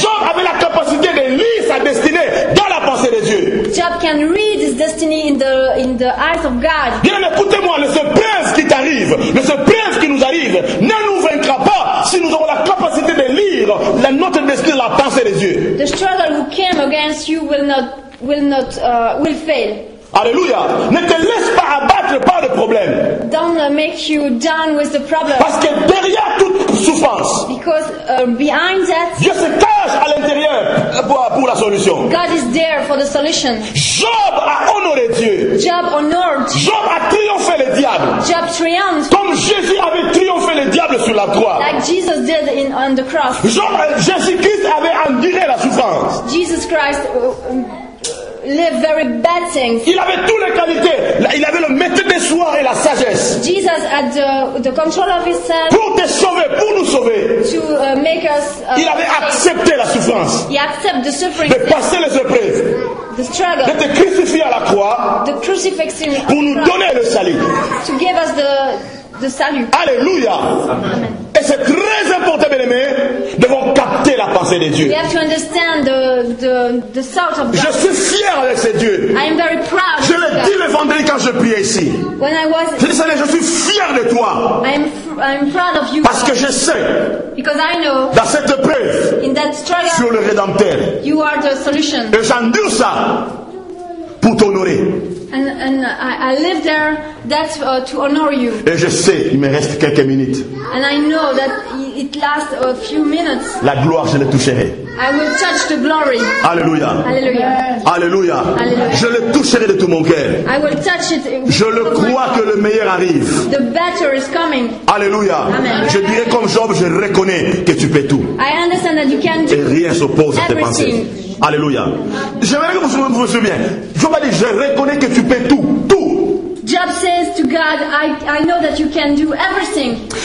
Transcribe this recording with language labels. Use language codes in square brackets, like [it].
[fr] Job avait la capacité de lire sa destinée dans la pensée de Dieu. [en] Job can read his destiny in the eyes of God. [fr] Bien, écoutez-moi, le surprise qui t'arrive, le surprise qui nous arrive, ne nous vaincra pas si nous avons la capacité de lire la notre destinée, la pensée de Dieu. [en] The struggle who came against you will fail. Alléluia. [fr] Ne te laisse pas abattre par le problème. [en] Don't make you down with the problem. [fr] Parce que derrière toute souffrance. [en] Because behind that. [fr] Dieu se cache à l'intérieur pour la solution. [en] God is there for the solution. [fr] Job a honoré Dieu. [en] Job honored. [fr] Job a triomphé le diable. [en] Job triumphed. [fr] Comme Jésus avait triomphé le diable sur la croix. [en] Like Jesus did on the cross. [fr] Jésus-Christ avait enduré la souffrance. [en] Jesus Christ. Live very bad things. [fr] Il avait toutes les qualités. Il avait le maîtrise de soi et la sagesse. [en] Jesus had the control of himself. [fr] Pour te sauver, pour nous sauver. [en] To make us. [fr] Il avait accepté la souffrance. [en] He accepted the suffering. [fr] De passer les épreuves. [en] The struggle. [fr] De crucifié à la croix. [en] The crucifixion. [fr] Pour nous donner le salut. [en] To give us the salut. Alléluia. Amen. [fr] Et c'est très important, bien-aimé, de vous capter la pensée de Dieu. [en] You have to understand the thought of God. [fr] Je suis fier avec ce Dieu. [en] I am very proud. [fr] Je l'ai dit le vendredi quand je priais ici. [en] When I was. [fr] Je dis, Seigneur, je suis fier de toi. [en] I'm proud of you. [fr] Parce que je sais. [en] Because I know. [fr] Dans cette épreuve. [en] In that struggle. [fr] Sur le rédempteur. [en] You are the solution. [fr] Et j'endure ça pour t'honorer. [en] And I live there that to honor you. [fr] Et je sais, il me reste quelques minutes. [en] And I know that it lasts a few minutes. [fr] La gloire, je le toucherai. [en] I will touch the glory. Alléluia. Alléluia. Alléluia. Alléluia. [fr] Je le toucherai de tout mon cœur. [en] I will touch it. [fr] Je le crois que le meilleur arrive. [en] The better is coming. Alléluia. Amen. [fr] Je dirai comme Job, je reconnais que tu peux tout. [en] I understand that you can do. [fr] Et rien s'oppose à tes pensées. Alléluia. J'aimerais que vous vous souveniez. Job a dit, je reconnais que tu peux tout. Tout. [en] Job says to God, I know that you can do everything.